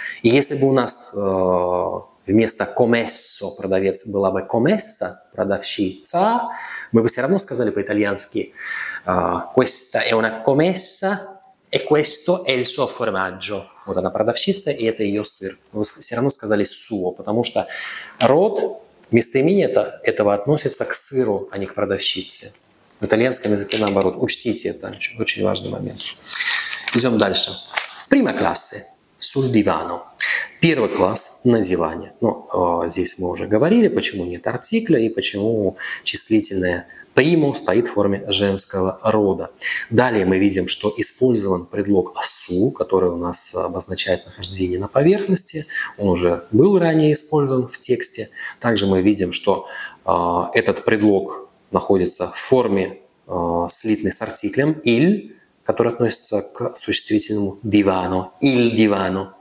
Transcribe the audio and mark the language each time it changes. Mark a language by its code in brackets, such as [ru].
[ru] И если бы у нас вместо «комессо» продавец была бы «комесса» продавщица, мы бы все равно сказали по-итальянски [it] «questa è una comessa e questo è il suo formaggio». [ru] Вот она продавщица, и это ее сыр. Мы бы все равно сказали «suo», потому что род Местоимение этого относится к сыру, а не к продавщице. В итальянском языке наоборот. Учтите это, очень важный момент. Идем дальше. [it] Prima classe, sul divano. [ru] Первый класс на диване. Ну, здесь мы уже говорили, почему нет артикля и почему числительное primo стоит в форме женского рода. Далее мы видим, что использован предлог su, который у нас обозначает нахождение на поверхности. Он уже был ранее использован в тексте. Также мы видим, что этот предлог находится в форме слитной с артиклем il, который относится к существительному divano, il divano.